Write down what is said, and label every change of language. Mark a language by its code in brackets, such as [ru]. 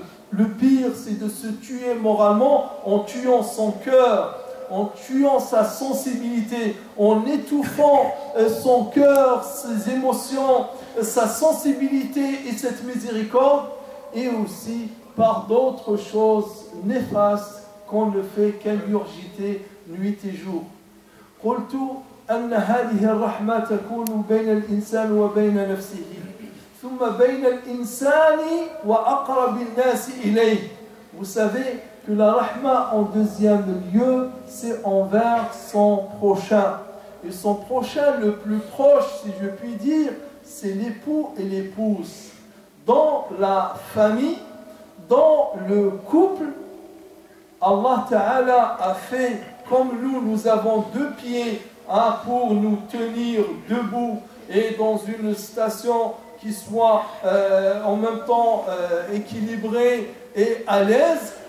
[fr] Le pire, c'est de se tuer moralement en tuant son cœur, en tuant sa sensibilité, en étouffant son cœur, ses émotions, sa sensibilité et cette miséricorde, et aussi par d'autres choses néfastes qu'on ne fait qu'ingurgiter nuit et jour. [ar] Qultu أن هذه الرحمة تكون بين الإنسان وبين نفسه ثم بين الإنسان وأقرب الناس إليه. [fr] Vous savez que la rahma en deuxième lieu c'est envers son prochain. Et son prochain le plus proche si je puis dire c'est l'époux et l'épouse. Dans la famille, dans le couple, Allah Ta'ala a fait comme nous avons deux pieds pour nous tenir debout et dans une station qui soit en même temps équilibrée et à l'aise.